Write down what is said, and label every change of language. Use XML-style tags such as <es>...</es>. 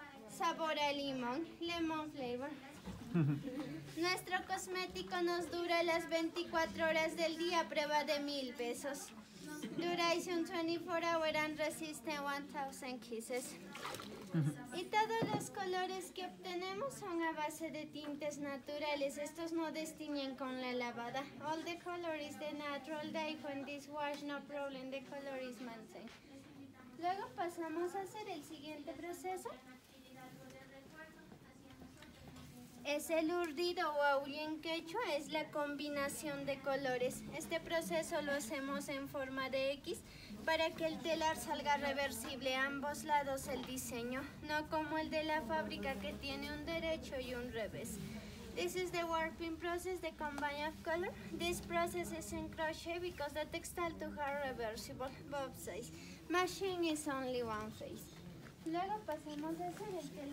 <es>Sabor a limón, lemon flavor. Nuestro cosmético nos dura las 24 horas del día, prueba de 1000 pesos.</es> <en>Duration 24 hours and resiste 1000 kisses.</en> <es>Y todos los colores que obtenemos son a base de tintes naturales, estos no destiñen con la lavada.</es> <en>All the color is the natural dye when this wash, no problem, the color is maintained.</en> <es>Luego pasamos a hacer el siguiente proceso. Es el urdido o aullen quechua, es la combinación de colores. Este proceso lo hacemos en forma de X para que el telar salga reversible a ambos lados el diseño, no como el de la fábrica que tiene un derecho y un revés.</es> <en>This is the warping process, the combine of color. This process is in crochet because the textile to have reversible both sides.</en> <es>Machine is only one face. Luego pasamos a hacer el telar de tejido.</es>